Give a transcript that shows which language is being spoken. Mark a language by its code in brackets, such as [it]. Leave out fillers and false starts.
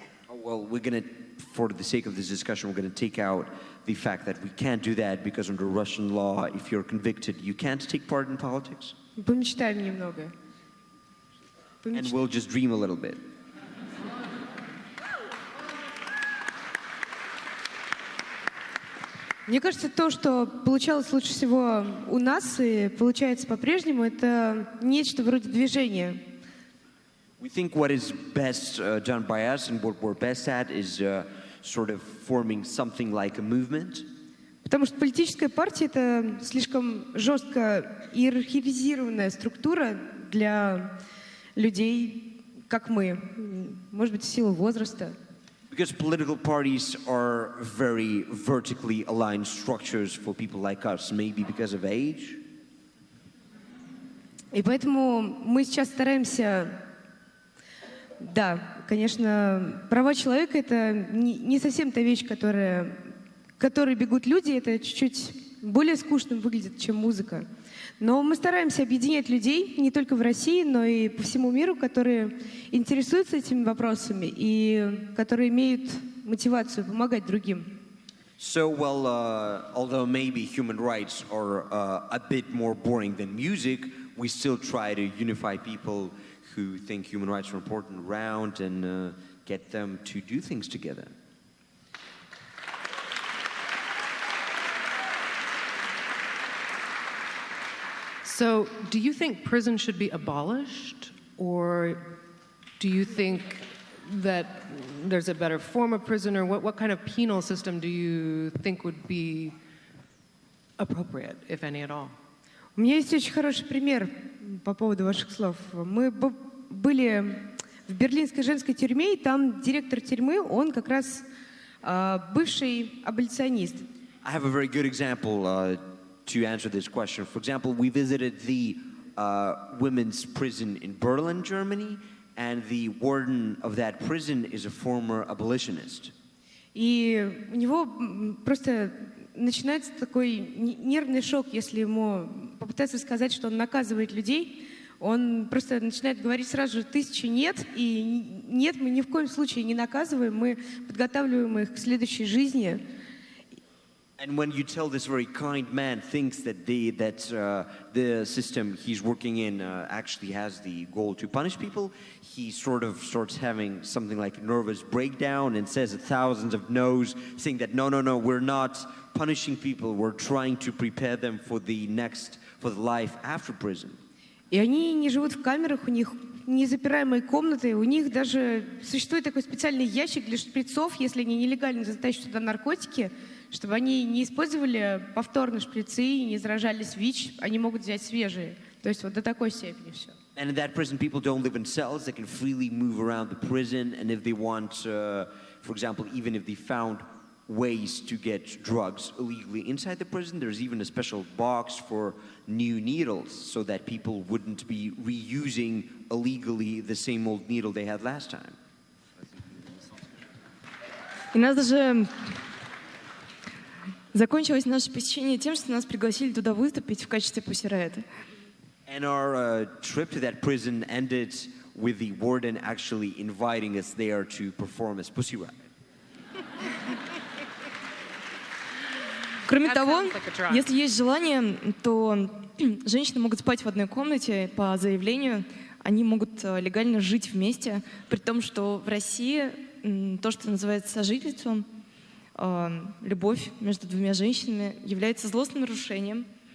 [en] Well, we're going to, for the sake of this discussion, we're going to take out the fact that we can't do that because under Russian law, if you're convicted, you can't take part in politics. [ru] Помечтаем немного. [en] And we'll just dream a little bit. [ru] Мне кажется, то, что получалось лучше всего у нас и получается по-прежнему, это нечто вроде движения. [en] We think what is best done by us and what we're best at is sort of forming something like a movement. [ru] Потому что политическая партия — это слишком жестко иерархизированная структура для людей, как мы, может быть, в силу возраста. [en] Because political parties are very vertically aligned structures for people like us, maybe because of age. [ru] И поэтому мы сейчас стараемся, да, конечно, права человека — это не совсем та вещь, которая, которой бегут люди, это чуть-чуть более скучным выглядит, чем музыка. Но мы стараемся объединять людей не только в России, но и по всему миру, которые интересуются этими вопросами и которые имеют мотивацию помогать другим. [en] So, well, although maybe human rights are a bit more boring than music, we still try to unify people who think human rights are important around and get them to do things together. So, do you think prison should be abolished, or do you think that there's a better form of prison, or what kind of penal system do you think would be appropriate, if any at all? [ru] У меня есть очень хороший пример по поводу ваших слов. Мы были в берлинской женской тюрьме, и там директор тюрьмы, он как раз бывший аболиционист. [en] I have a very good example to answer this question. For example, we visited the women's prison in Berlin, Germany, and the warden of that prison is a former abolitionist. [ru] И у него просто начинается такой нервный шок, если ему попытаться сказать, что он наказывает людей. Он просто начинает говорить сразу тысячи нет, и нет, мы ни в коем случае не наказываем, мы подготавливаем их к следующей жизни. [en] And when you tell this very kind man thinks that the system he's working in actually has the goal to punish people, he sort of starts having something like a nervous breakdown and says thousands of no's, saying that no, we're not punishing people, we're trying to prepare them for the life after prison. [ru] И они не живут в камерах, у них незапираемые комнаты, у них даже существует такой специальный ящик для шприцов, если они нелегально затащат туда наркотики, чтобы они не использовали повторно шприцы и не заражались ВИЧ, они могут взять свежие. То есть вот до такой степени все. [en] And in that prison people don't live in cells, they can freely move around the prison, and if they want, for example, even if they found ways to get drugs illegally inside the prison, there's even a special box for new needles so that people wouldn't be reusing illegally the same old needle they had last time. [ru] И надо же... Закончилось наше посещение тем, что нас пригласили туда выступить в качестве Pussy Riot. [en] And our trip to that prison ended with the warden actually inviting us there to perform as Pussy Riot. [ru] Кроме того, если есть желание, то женщины могут спать в одной комнате по заявлению. Они могут легально жить вместе, при том, что в России то, что называется сожительством, любовь между двумя женщинами является злостным нарушением.